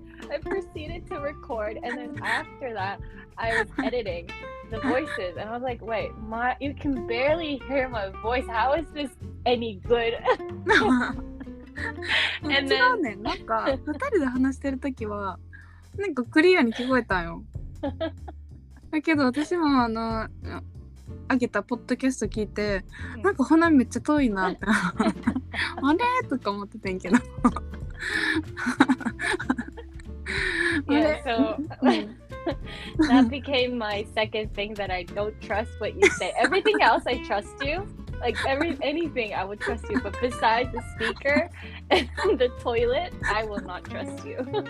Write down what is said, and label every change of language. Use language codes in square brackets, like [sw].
[en] I proceeded to record. And then after that, I was editing the voices. And I was like, wait, you can barely hear my voice. How is this any good? And then, [ja] 違うね。なんか二人で話してるときはなんかクリアに聞こえたよ。だけど私もあの上げたポッドキャスト聞いて、なんか鼻めっちゃ遠いなってあれとか思っててんけど。 [en] Yeah, so that became my second thing that I don't trust what you say. Everything else I trust you. Like anything I would trust you, but besides the speaker and the toilet, I will not trust you.